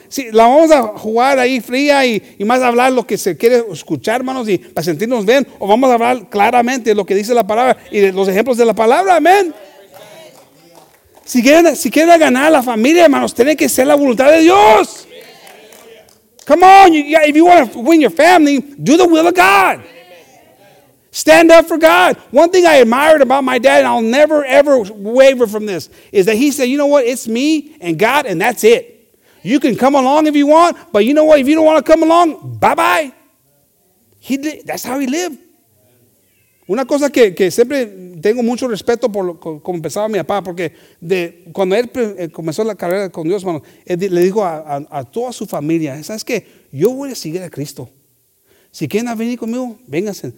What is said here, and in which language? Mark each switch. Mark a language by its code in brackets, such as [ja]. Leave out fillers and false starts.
[es] Si la vamos a jugar ahí fría y más hablar lo que se quiere escuchar, hermanos, y para sentirnos bien, o vamos a hablar claramente lo que dice la palabra y los ejemplos de la palabra. Amén. Si quieren ganar a la familia, hermanos, tiene que ser la voluntad de Dios. [en] Come on, if you want to win your family, do the will of God. Stand up for God. One thing I admired about my dad, and I'll never, ever waver from this, is that he said, you know what, it's me and God, and that's it. You can come along if you want, but you know what, if you don't want to come along, bye-bye. That's how he lived. [es] Una cosa que siempre tengo mucho respeto por cómo pensaba mi papá, porque cuando él comenzó la carrera con Dios, hermano, él le dijo a toda su familia, ¿sabes qué? Yo voy a seguir a Cristo. Si quieren venir conmigo, vénganse.